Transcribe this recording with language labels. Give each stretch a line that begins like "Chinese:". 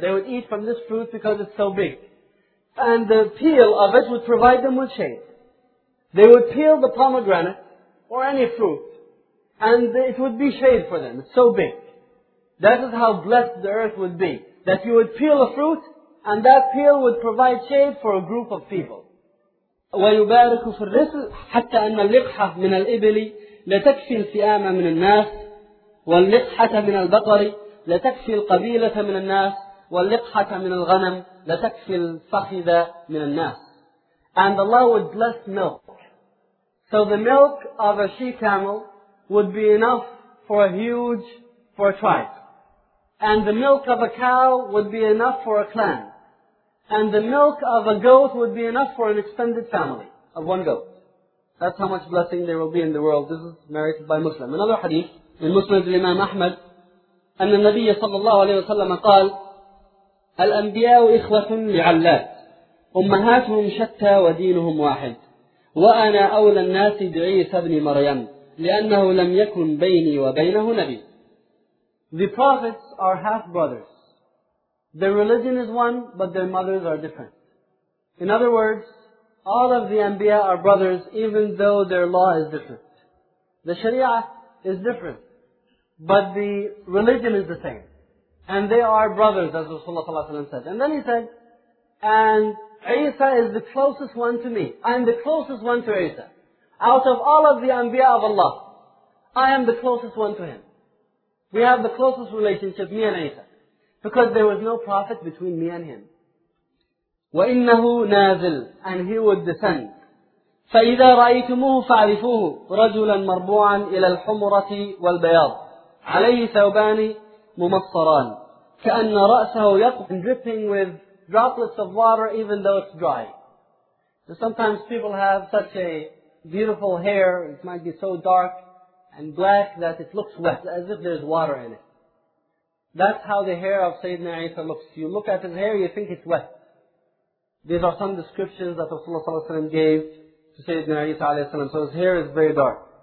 English: They would eat from this fruit because it's so big. And the peel of it would provide them with shade. They would peel the pomegranate or any fruit, and it would be shade for them. It's so big. That is how blessed the earth would be. That you would peel a fruit, and that peel would provide shade for a group of people.
Arabic: وَيُبَارِكُ فِي الرِّزْقِ حَتَّى أَنَّ اللِّقْحَةَ مِنَ الْإِبِلِ لَتَكْفِي الْفِئَامَ مِنَ النَّاسِ وَاللِّقْحَةَ مِنَ الْبَقَرِ لَتَكْفِي الْقَبِيلَةَ مِنَ النَّاسِ وَاللِّقْحَةَ مِنَ الْغَنَمِ لَتَكْفِي الْفَخِذَ مِنَ النَّاسِ.
English: And Allah would bless milk So the milk of a she-camel would be enough for a tribe. And the milk of a cow would be enough for a clan. And the milk of a goat would be enough for an extended family of one goat. That's how much blessing there will be in the world. This is narrated by Muslim. Another hadith in Muslim to Imam Ahmad,
Arabic: أن النبي صلى الله عليه وسلم قال الأنبياء إخوة لعلات أمهاتهم شتى ودينهم واحد وأنا أولى الناس بعيسى بن مريم لأنه لم يكن بيني وبينه نبي.
English: The prophets are half brothers. Their religion is one, but their mothers are different. In other words, all of the Anbiya are brothers, even though their law is different. The Sharia is different, but the religion is the same. And they are brothers, as Rasulullah said. And then he said, and Isa is the closest one to me. I am the closest one to Isa. Out of all of the Anbiya of Allah, I am the closest one to him. We have the closest relationship, me and Isa. Because there was no prophet between me and him.
Arabic: وَإِنَّهُ نَازِلٌ
English: And he would descend.
Arabic: فَإِذَا رَأَيْتُمُوهُ فَعْرِفُوهُ رَجُلًا مَرْبُوعًا إِلَى الْحُمُرَةِ وَالْبَيَاضِ عَلَيْهِ ثَوْبَانِ مُمَصَّرَانِ كَأَنَّ رَأْسَهُ يَقْفٍ
English: Dripping with droplets of water even though it's dry. So sometimes people have such a beautiful hair, it might be so dark and black that it looks wet, as if there's water in it. That's how the hair of Sayyidina Isa looks. You look at his hair, you think it's wet. These are some descriptions that Rasulullah ﷺ gave to Sayyidina Isa ﷺ. So his hair is very dark.